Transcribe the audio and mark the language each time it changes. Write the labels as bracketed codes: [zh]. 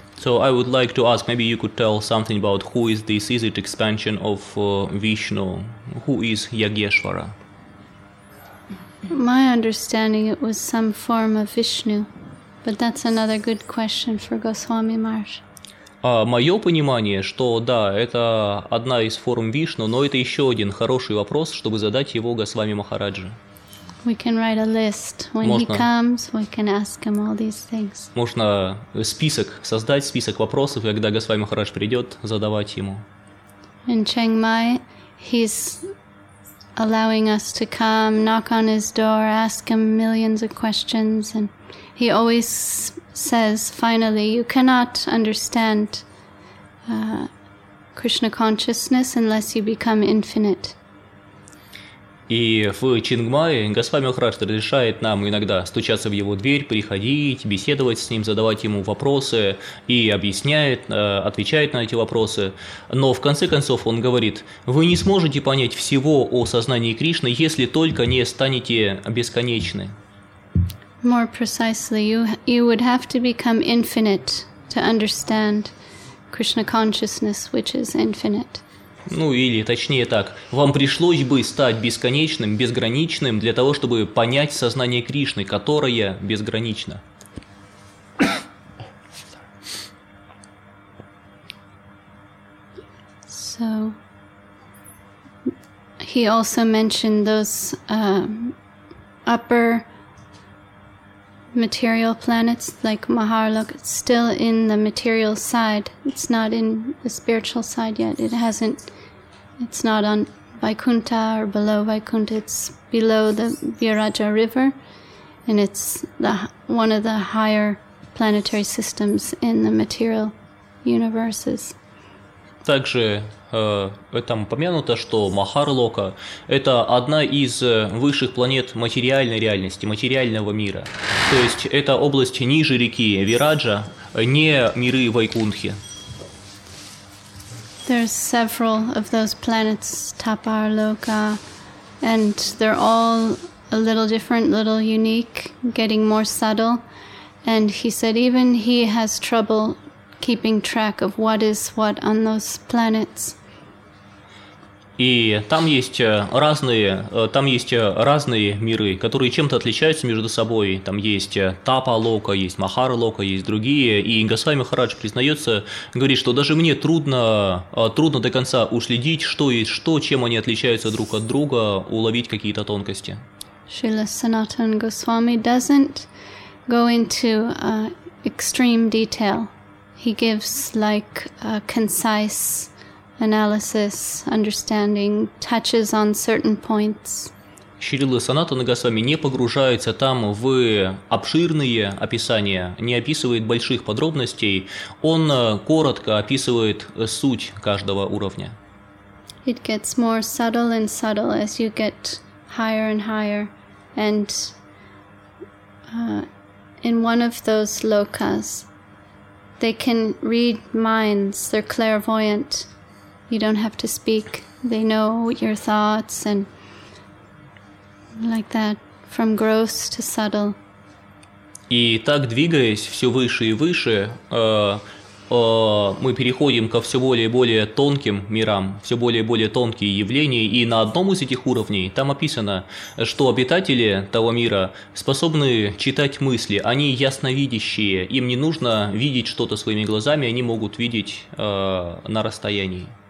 [en] So I would like to ask, maybe you could tell something about who is this? Is it expansion of Vishnu? Who is Yagyeshwara? My understanding, it was some form of Vishnu, but that's another good question for Goswami Maharaj. [ru] Мое понимание, что да, это одна из форм Вишну, но это еще один хороший вопрос, чтобы задать его Госвами Махараджи. [en] We can write a list. When he comes, we can ask him all these things. [ru] Можно список создать, список вопросов, и когда Госвами Махарадж придет, задавать ему. [en] In Chiang Mai, he's allowing us to come, knock on his door, ask him millions of questions, and he always says, finally, you cannot understand Krishna consciousness unless you become infinite. [ru] И в Чинг Мае Госвами Махарадж разрешает нам иногда стучаться в его дверь, приходить, беседовать с ним, задавать ему вопросы и объясняет, отвечает на эти вопросы. Но в конце концов он говорит, вы не сможете понять всего о сознании Кришны, если только не станете бесконечны. [en] More precisely, you would have to become infinite to understand Krishna consciousness, which is infinite. [ru] Ну или точнее так, вам пришлось бы стать бесконечным, безграничным для того, чтобы понять сознание Кришны, которое безгранично. [en] So he also mentioned those upper material planets like Maharloka, still in the material side. It's not in the spiritual side yet. It's not on Vaikuntha or below Vaikuntha. It's below the Viraja River, and it's one of the higher planetary systems in the material universes. [ru] Также там упомянуто, что Махарлока – это одна из высших планет материальной реальности, материального мира. То есть это область ниже реки Вираджа, не миры Вайкунтхи. [en] There's several of those planets, Taparloka, and they're all a little different, little unique, getting more subtle. And he said even he has trouble keeping track of what is what on those planets. [ru] И там есть разные миры, которые чем-то отличаются между собой. Там есть Тапа-лока, есть Махар-лока, есть другие. И Госвами Махарадж признается, говорит, что даже мне трудно до конца уследить, что есть что, чем они отличаются друг от друга, уловить какие-то тонкости. [en] Шрила Санатан Госвами doesn't go into extreme detail. He gives like a concise analysis, understanding, touches on certain points. [ru] Шрила Санатана Госвами не погружается там в обширные описания, не описывает больших подробностей. Он коротко описывает суть каждого уровня. [en] It gets more subtle and subtle as you get higher and higher. And in one of those lokas, they can read minds, they're clairvoyant. You don't have to speak. They know your thoughts and like that, from gross to subtle. [ru] И так, двигаясь все выше и выше, мы переходим ко все более и более тонким мирам, все более и более тонкие явления, и на одном из этих уровней там описано, что обитатели того мира способны читать мысли, они ясновидящие, им не нужно видеть что-то своими глазами, они могут видеть на расстоянии.